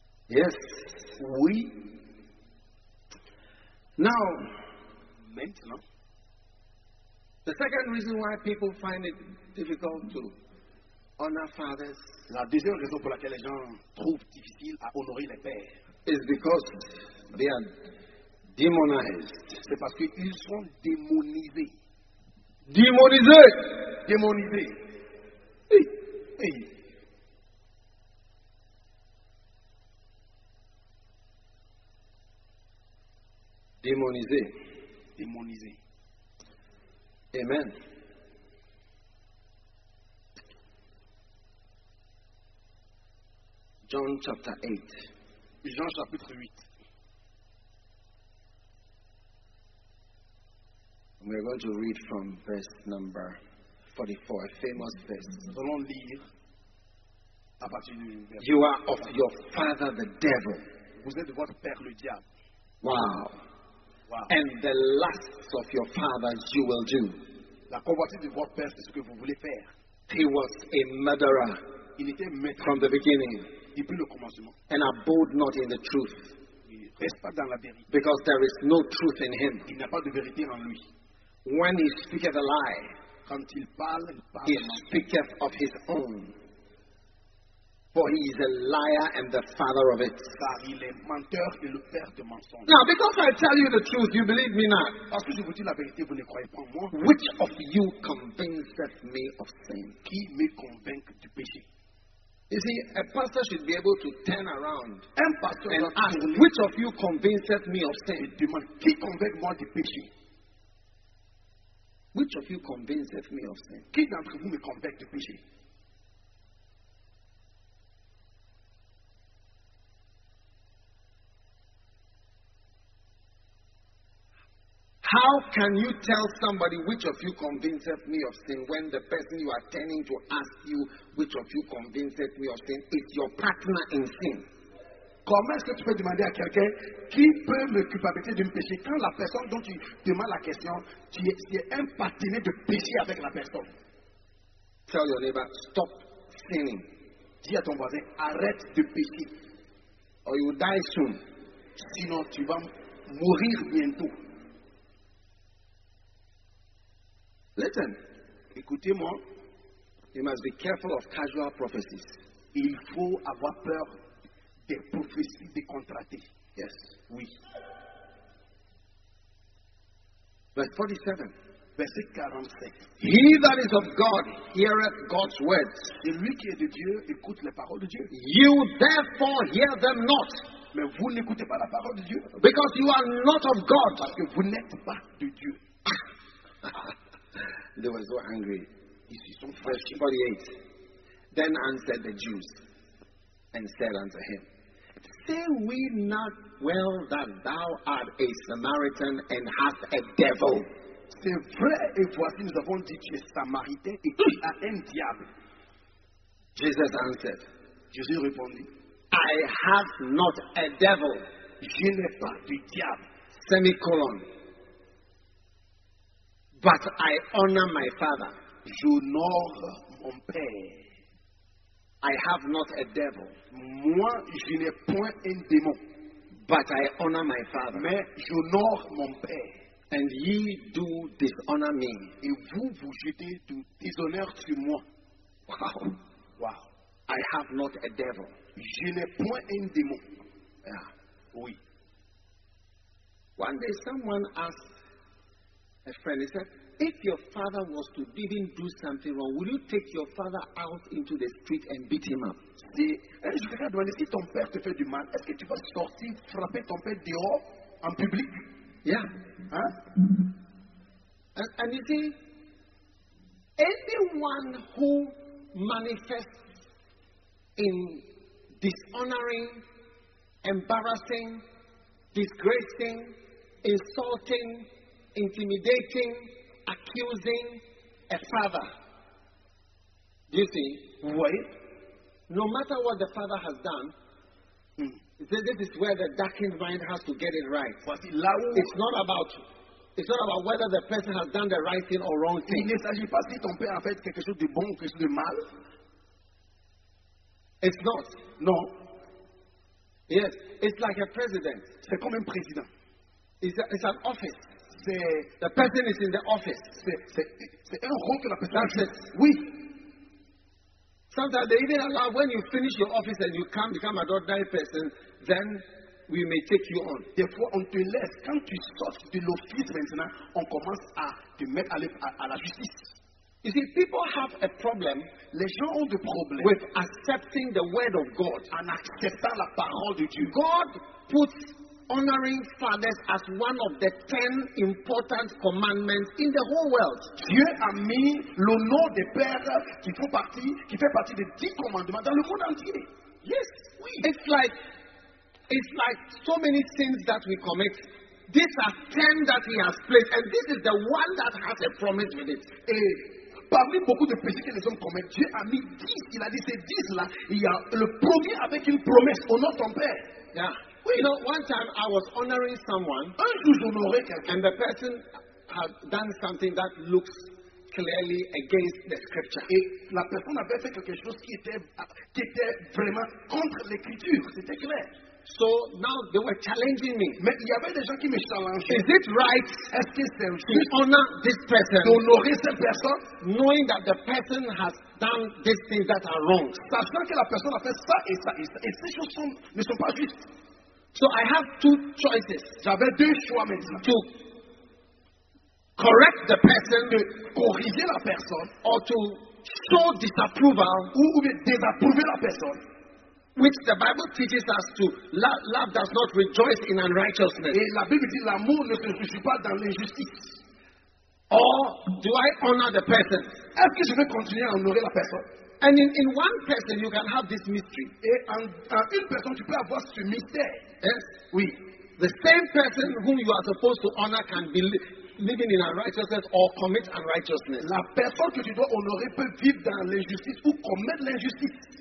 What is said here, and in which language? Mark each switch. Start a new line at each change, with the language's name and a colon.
English: Yes.
French: Oui.
English: Now,
French: maintenant,
English: the second reason why people find it difficult to honor fathers,
French: la deuxième raison pour laquelle les gens trouvent difficile à honorer les pères,
English: is because they are demonized.
French: C'est parce qu'ils sont démonisés. Démonisés. Démonisés. Hey. Hey. Démonisé. Démonisé.
English: Amen. John chapter 8.
French: Jean chapitre 8.
English: We are going to read from verse number 44, a famous verse.
French: Allons lire à partir du verset.
English: You are of your father the devil.
French: Vous êtes de votre père le diable.
English: Wow. Wow. And the lusts of your father you will do.
French: La convoitise de votre père, c'est ce que vous voulez faire.
English: He was a murderer.
French: Il était maître
English: from the beginning.
French: Depuis le commencement.
English: And abode not in the truth.
French: Il reste pas dans la vérité.
English: Because there is no truth in him.
French: Il n'y a pas de vérité en lui.
English: When he speaketh a lie,
French: quand il parle, il parle
English: he speaketh of his own. For he is a liar and the father of it.
French: Car il est menteur et le père de mensonges.
English: Now, because I tell you the truth, you believe me not.
French: Parce que je vous dis la vérité, vous ne croyez pas en moi.
English: Which of you convinceth me of sin?
French: Qui me convainc du péché?
English: You see, a pastor should be able to turn around
French: un pastor
English: and ask, which of you convinceth me of sin?
French: Et demande, qui convainc moi du péché?
English: Which of you convinces me of sin?
French: Qui d'entre vous me convainc du péché?
English: How can you tell somebody which of you convinces me of sin when the person you are turning to ask you which of you convinces me of sin is your partner in sin?
French: Comment est-ce que tu peux demander à quelqu'un qui peut me culpabiliser d'un péché quand la personne dont tu demandes la question, tu es un partenaire de péché avec la personne?
English: Tell your neighbor, stop sinning.
French: Dis à ton voisin, arrête de pécher.
English: Or you die soon.
French: Sinon, tu vas mourir bientôt.
English: Listen.
French: Écoutez-moi.
English: You must be careful of casual prophecies.
French: Il faut avoir peur des prophéties décontractées.
English: Yes.
French: Oui.
English: Verse 47.
French: Verset 47.
English: He that is of God heareth God's words.
French: Celui qui est de Dieu écoute les paroles de Dieu.
English: You therefore hear them not.
French: Mais vous n'écoutez pas la parole de Dieu.
English: Because you are not of God.
French: Parce que vous n'êtes pas de Dieu.
English: They were so angry. Verse 48. Then answered the Jews and said unto him, say we not well that thou art a Samaritan and hast a devil?
French: C'est vrai, et voici nous avons dit tu es Samaritain et tu as un diable.
English: Jesus answered,
French: Jésus répondit,
English: I have not a devil.
French: Je n'ai pas de diable.
English: Semicolon. But I honor my father.
French: J'honore mon père.
English: I have not a devil.
French: Moi, je n'ai point un démon.
English: But I honor my father.
French: Mais j'honore mon père.
English: And ye do dishonor me.
French: Et vous, vous jetez du déshonneur sur moi.
English: Wow. Wow. I have not a devil.
French: Je n'ai point un démon.
English: Yeah.
French: Oui.
English: One day someone asked a friend, he said, if your father was to even do something wrong, would you take your father out into the street and beat him up?
French: Si, je vais te demander, si ton père te fait du mal, est-ce que tu vas sortir, frapper ton père dehors, en public?
English: Yeah.
French: Hein?
English: And you see, anyone who manifests in dishonoring, embarrassing, disgracing, insulting, intimidating, accusing a father. You see? Wait. No matter what the father has done, this is where the darkened mind has to get it right. It's not about whether the person has done the right thing or wrong thing.
French: Il ne s'agit pas si ton père a fait quelque chose de bon ou quelque chose de mal.
English: It's not. No. Yes. It's like a president.
French: C'est comme un président.
English: It's an office.
French: C'est,
English: the person is in the office.
French: C'est un rôle que la personne fait. Oui.
English: Sometimes they even allow when you finish your office and you come become an ordinary person, then we may take you on.
French: Therefore, on te laisse. Quand tu sors de l'office maintenant, on commence à te mettre à la justice.
English: You see, people have a problem.
French: Les gens ont des problèmes
English: with accepting the word of God and accepting
French: la parole de Dieu.
English: God puts honoring fathers as one of the 10 important commandments in the whole world.
French: Dieu a mis l'honneur des pères qui fait partie des 10 commandements dans le monde entier.
English: Yes. It's like so many sins that we commit. These are 10 that he has placed, and this is the one that has a promise with it.
French: Parmi beaucoup de péchés que les hommes commettent, Dieu a mis 10. Il a dit ces 10-là, il y a le premier avec une promesse, honore ton père.
English: Yeah. Oui. You know, one time I was honoring someone,
French: un jour j'honorais quelqu'un,
English: and the person had done something that looks clearly against the scripture.
French: Et la personne avait fait quelque chose qui était vraiment contre l'écriture, c'était clair.
English: So now they were challenging me.
French: Mais il y avait des gens qui me challengeaient.
English: Is it right?
French: Est-ce que c'est
English: juste? To honor this person.
French: D'honorer cette personne,
English: knowing that the person has done these things that are wrong.
French: Sachant que la personne a fait ça et ça et ça. Et ces choses ne sont pas justes.
English: So I have two choices.
French: J'avais deux choix maintenant.
English: To correct the person,
French: de corriger la personne,
English: or to show disapproval,
French: ou bien désapprouver la personne.
English: Which the Bible teaches us to love does not rejoice in unrighteousness.
French: Et la Bible dit l'amour ne se réjouit pas dans l'injustice.
English: Or do I honor the person?
French: Est-ce que je vais continuer à honorer la personne?
English: And in one person you can have this mystery.
French: Et en une personne tu peux avoir ce mystère.
English: Yes.
French: Oui.
English: The same person whom you are supposed to honor can be living in unrighteousness or commit unrighteousness.
French: La personne que tu dois honorer peut vivre dans l'injustice ou commettre l'injustice.